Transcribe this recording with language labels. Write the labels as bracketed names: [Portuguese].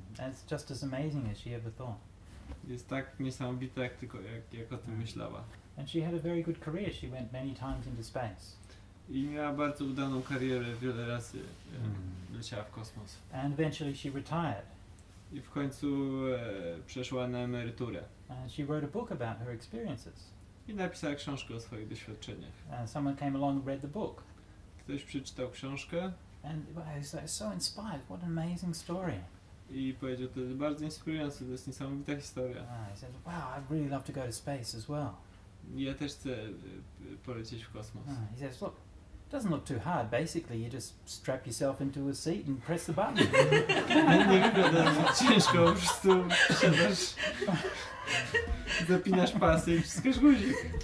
[English] And it's just as amazing as she ever thought. [Polish] Jest tak niesamowite, jak o tym myślała. [English] And she had a very good career. She went many times into space. [Polish] I miała bardzo udaną karierę, wiele razy leciała w kosmos. [English] And eventually she retired. [Polish] I w końcu przeszła na emeryturę. [English] And she wrote a book about her experiences. [Polish] I napisała książkę o swoich doświadczeniach. [English] And someone came along and read the book. [Polish] Ktoś przeczytał książkę. [English] And wow, he was so inspired. What an amazing story. [Polish] I powiedział, to jest bardzo inspirujące, to jest niesamowita historia. [English] He said, wow, I'd really love to go to space as well. [Polish] Ja też chcę polecieć w kosmos. [English] He says, look, it doesn't look too hard. Basically, you just strap yourself into a seat and press the button. [Polish] Nie wygląda ciężko, po prostu siadasz, zapinasz pasy i wciskasz guzik.